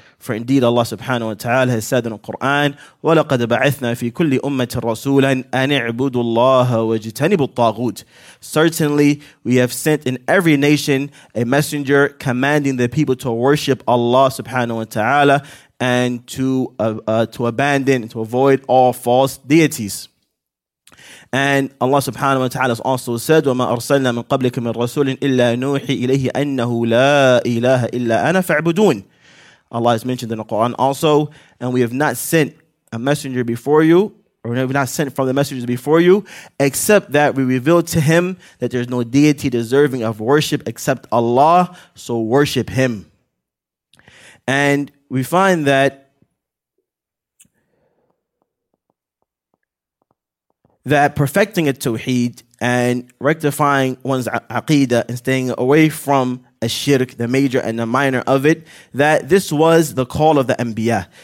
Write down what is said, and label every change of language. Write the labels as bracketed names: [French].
[English] For indeed Allah subhanahu wa ta'ala has said in the Quran, [Arabic] وَلَقَدْ بَعَثْنَا فِي كُلِّ أُمَّةٍ رَسُولًا أَنِ اعْبُدُوا اللَّهَ وَاجْتَنِبُوا الطَّاغُوتِ. [English] Certainly, we have sent in every nation a messenger commanding the people to worship Allah subhanahu wa ta'ala and to abandon, to avoid all false deities. And Allah subhanahu wa ta'ala has also said, [Arabic] وَمَا أَرْسَلْنَا مِنْ قَبْلِكَ مِنْ رَسُولٍ إِلَّا نُوحِي إِلَيْهِ أَنَّهُ لَا إِلَهَ إِلَّا أَنَا فَاعْبُدُونَ. [English] Allah has mentioned in the Quran also, and we have not sent a messenger before you, or we have not sent from the messengers before you, except that we revealed to him that there is no deity deserving of worship except Allah, so worship him. And we find that perfecting a tawheed and rectifying one's aqidah and staying away from a shirk, the major and the minor of it, that this was the call of the anbiya.